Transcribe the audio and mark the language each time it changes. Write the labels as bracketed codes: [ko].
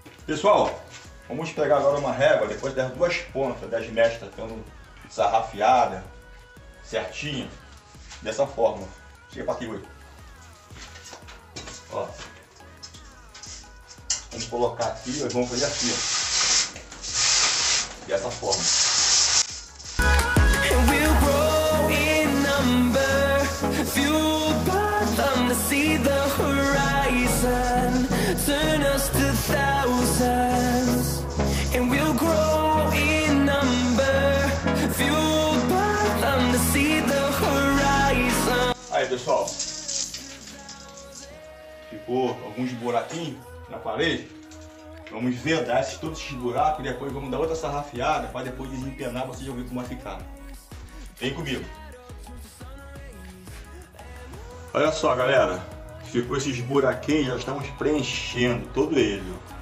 [pt] Pessoal, vamos pegar agora uma régua, depois das duas pontas das mestras ficando sarrafiada, certinha, dessa forma. Chega pra aqui, Rui. Ó. Vamos colocar aqui e vamos fazer assim, ó. Dessa forma. [en] We'll grow in number, fueled by them to see the horizon, turn us to thousands. And we'll grow in number, fueled by them to see the horizon. [pt] Aí, pessoal. Ficou alguns buraquinhos na parede, vamos vedar esses todos esses buracos e depois vamos dar outra sarrafiada para depois desempenar, vocês vão ver como vai ficar. Vem comigo. Olha só, galera, ficou esses buraquinhos, já estamos preenchendo todo ele.